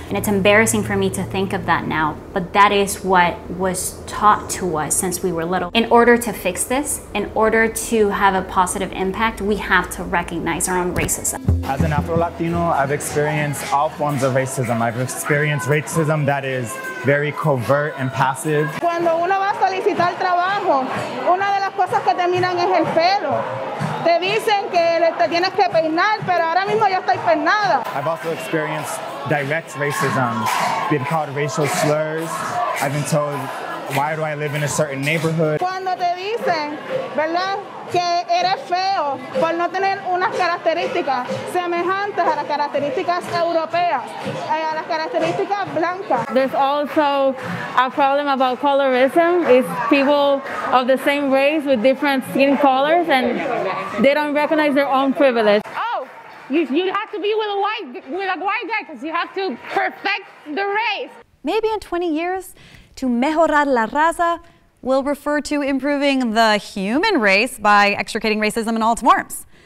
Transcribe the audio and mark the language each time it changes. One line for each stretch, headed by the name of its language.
English: And it's embarrassing for me to think of that now, but that is what was taught to us since we were little. In order to fix this, in order to have a positive impact, we have to recognize our own racism. As an Afro-Latino, I've experienced all forms of racism. I've experienced racism that is very covert and passive.
Spanish: Cuando uno va a solicitar trabajo, una de las cosas que te miran es el pelo. Te dicen que te tienes que peinar, pero ahora mismo yo estoy peinada.
English: I've also experienced direct racism, been called racial slurs. I've been told, why do I live in a certain neighborhood?
Spanish: Cuando te dicen, ¿verdad? Que eres feo por no tener unas características semejantes a las características europeas, a las características blancas.
English: There's also a problem about colorism. It's people of the same race with different skin colors, and they don't recognize their own privilege. Oh, you have to be with a white guy because you have to perfect the race. Maybe in 20 years, to
Spanish: mejorar la raza,
English: we'll refer to improving the human race by extricating racism in all its forms.